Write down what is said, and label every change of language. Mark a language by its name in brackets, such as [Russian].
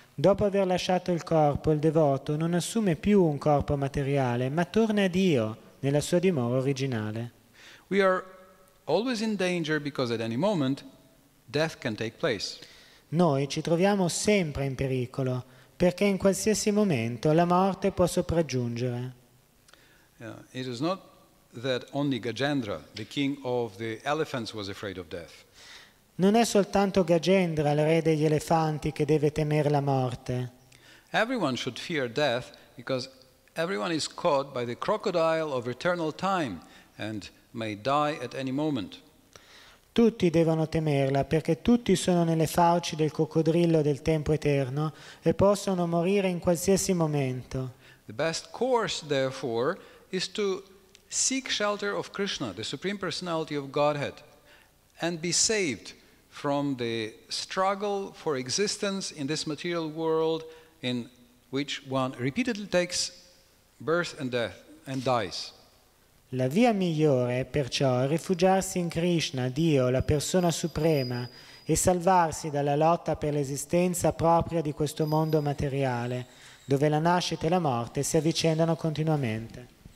[Italian] Dopo aver lasciato il corpo, il devoto non assume più un corpo materiale, ma torna a Dio nella sua dimora originale. [English] We are always in danger because at any moment death can take place. [Italian] Noi ci troviamo sempre in pericolo perché in qualsiasi momento la morte può sopraggiungere. [English] It is not that only Gajendra, the king of the elephants, was afraid of death. [Italian] Non è soltanto Gajendra, il re degli elefanti, che deve temere la morte. [English] Everyone should fear death because everyone is caught by the crocodile of eternal time and may die at any moment. [Italian] Tutti devono temerla perché tutti sono nelle fauci del coccodrillo del tempo eterno e possono morire in qualsiasi momento. [English] The best course, therefore, is to seek shelter of Krishna, the Supreme Personality of Godhead, and be saved from the struggle for existence in this material world in which one repeatedly takes birth and death and dies. [Italian] La via migliore, perciò, è rifugiarsi in Krishna, Dio, la persona suprema, e salvarsi dalla lotta per l'esistenza propria di questo mondo materiale, dove la nascita e la morte si avvicendano continuamente.